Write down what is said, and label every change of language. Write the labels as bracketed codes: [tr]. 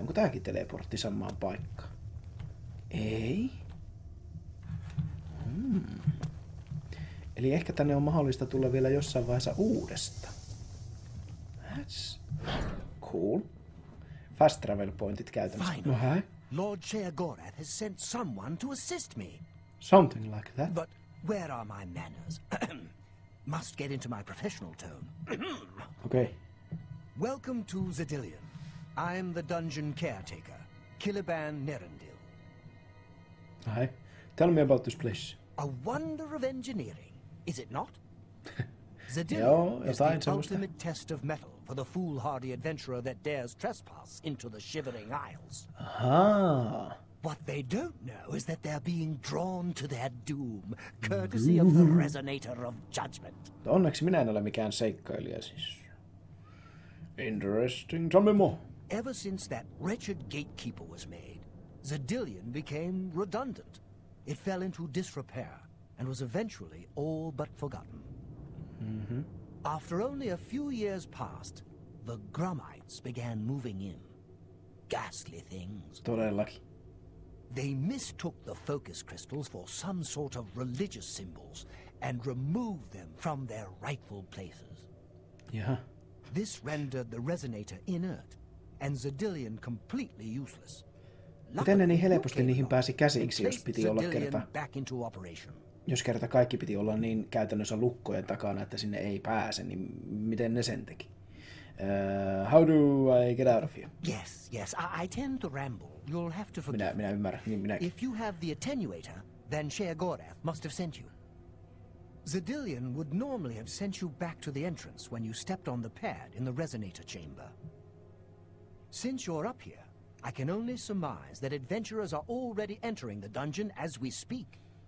[fi] Onko tääkin teleportti samaan paikkaan? Ei. Eli ehkä tänne on mahdollista tulla vielä jossain vaiheessa uudesta. [en] That's cool. [fi] Fast travel pointit käytännössä. [en] Finally, no, hey. Lord Sheogorath has sent someone to assist me. Something like that. But where are my manners? Must get into my professional tone. Okay. Welcome to Zedillion. I'm the dungeon caretaker, Kiliban Nerendil. Hi. Tell me about this place. A wonder of engineering, is it not? Zedillion is the ultimate test of metal for the foolhardy adventurer that dares trespass into the Shivering Isles. Aha. What they don't know is that they're being drawn to their doom, courtesy of the Resonator of Judgment. [fi] Onneksi minä en ole mikään seikkailija, siis. [en] Interesting. Tell me more. Ever since that wretched gatekeeper was made, Zedillion became redundant. It fell into disrepair and was eventually all but forgotten. Mm-hmm. After only a few years passed, the Grummites began moving in. Ghastly things. [fi] Todellakin. [en] They mistook the focus crystals for some sort of religious symbols and removed them from their rightful places. Yeah. This rendered the resonator inert and Zedillion completely useless. [fi] Miten ne niin helposti niihin pääsi käsiksi, jos piti olla kerta? Jos kerta kaikki piti olla niin käytännössä lukkojen takana, että sinne ei pääse, niin miten ne sen teki? [en] How do I get out of here? Yes, I tend to ramble. You'll have to forgive. [fi] Minä ymmärrän, niin minäkin. [en] If you have the attenuator, then Sheogorath must have sent you. Zedillion would normally have sent you back to the entrance when you stepped on the pad in the resonator chamber. Since you're up here, I can only surmise that adventurers are already entering the dungeon as we speak.